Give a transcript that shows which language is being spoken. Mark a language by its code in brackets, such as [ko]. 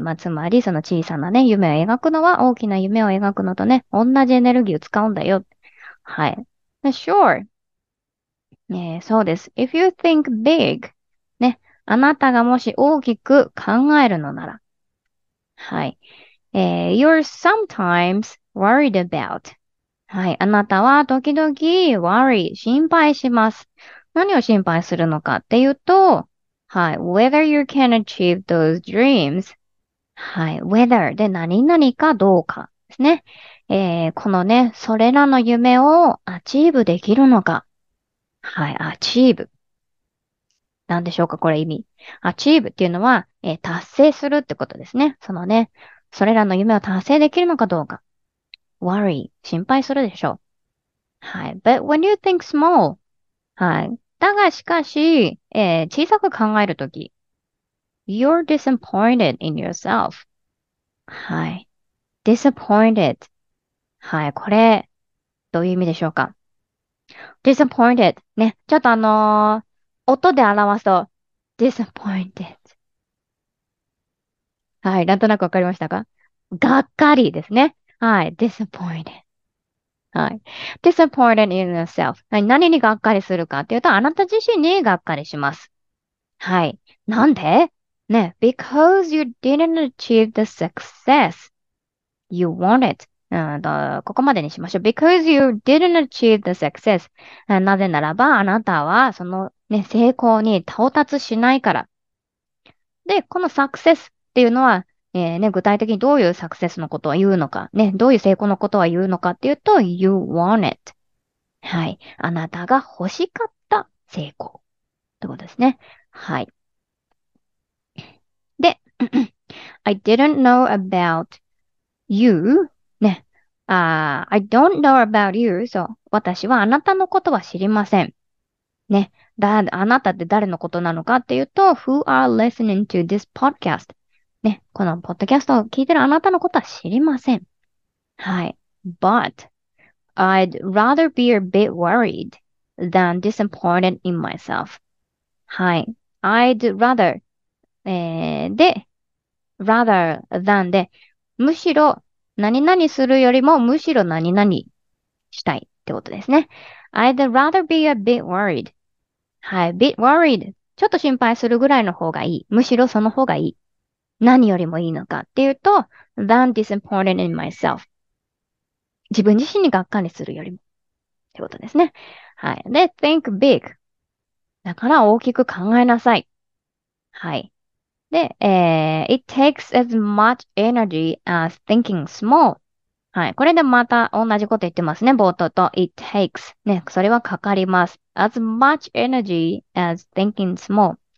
[ja] まあ、つまり、その小さなね、夢を描くのは、大きな夢を描くのとね、同じエネルギーを使うんだよ。はい。 [en] Sure. [ja] そうです。 [en] If you think big, [ja] ね、あなたがもし大きく考えるのなら。はい。 [en] You're sometimes worried about. [ja] はい。あなたは時々 worry, 心配します。何を心配するのかっていうと、はい。 [en] Whether you can achieve those dreams. [ja] はい。 Whether で何々かどうかですね。このね、それらの夢をアチーブできるのか。はい。Achieve。なんでしょうか、これ意味。Achieve っていうのは、達成するってことですね。そのね、それらの夢を達成できるのかどうか。worry, 心配するでしょう。 [en] はい。But when you think small, はい。 [ja] だがしかし、小さく考えるとき、 [en] you're disappointed in yourself. はい。disappointed. はい。 [ja] これ、どういう意味でしょうか。 [en] disappointed. ね。 [ja] ちょっと音で表すと、disappointed. はい。なんとなくわかりましたか？がっかりですね。はい。disappointed. はい。 [en] disappointed in yourself. [ja] はい。何にがっかりするかっていうと、あなた自身にがっかりします。はい。なんで？ね。 [en] because you didn't achieve the success you wanted. [ja] ここまでにしましょう。 [en] because you didn't achieve the success. [ja] なぜならば、あなたはそのね、成功に到達しないから。で、この success っていうのは、ね、具体的にどういうサクセスのことは言うのか、ね、どういう成功のことは言うのかっていうと、 [en] you want it. [ja] はい。あなたが欲しかった成功。ってことですね。はい。 [en] で、I didn't know about you. ね。 I don't know about you. そう。 [ja] 私はあなたのことは知りません。ね。あなたって誰のことなのかっていうと、 [en] who are listening to this podcast? [ja] ね、このポッドキャストを聞いてるあなたのことは知りません。はい。 [en] But, I'd rather be a bit worried than disappointed in myself. [ja] はい。 [en] I'd rather, rather than [ja] で、むしろ何々するよりもむしろ何々したいってことですね。 [en] I'd rather be a bit worried. はい。bit worried。 [ja] ちょっと心配するぐらいの方がいい。むしろその方がいい。何よりもいいのかっていうと、 [en] than disappointed in myself。 [ja] 自分自身にがっかりするよりも。ってことですね。はい。で、 [en] think big。 [ja] だから大きく考えなさい。はい。 [en] で、it takes as much energy as thinking small。 [ja] はい。これでまた同じこと言ってますね。冒頭と [en] it takes [ja] ね。それはかかります。 [en] as much energy as thinking small。